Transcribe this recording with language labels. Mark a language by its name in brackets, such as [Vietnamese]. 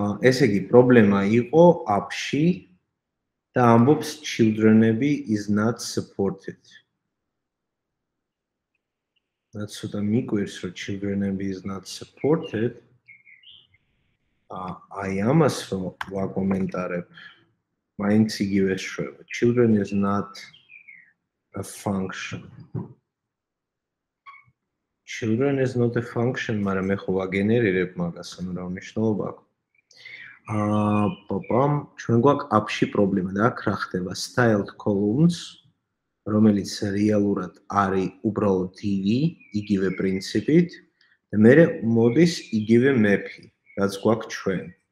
[Georgian] ესე იგი, პრობლემა იყო აპში და ამბობს children-ები [English] is not supported. [Georgian] რაც ცოტა მიკვირს, რომ children-ები [English] is not supported. [Georgian] აი ამას რომ ვაკომენტარებ, მაინც იგივე შევა. [English] Children is not a function. Children is not a function, [Georgian] მაგრამ ახლა ვაგენერირებ მაგას, ანუ რა მნიშვნელობა აქვს. პაპამ, ჩვენ გვაქვს აპში პრობლემა და აქ რა ხდება? Styled columns, რომელიც რეალურად არის უბრალოდ div, იგივე პრინციპით და მე მოდის იგივე map-ი, რაც გვაქვს ჩვენ.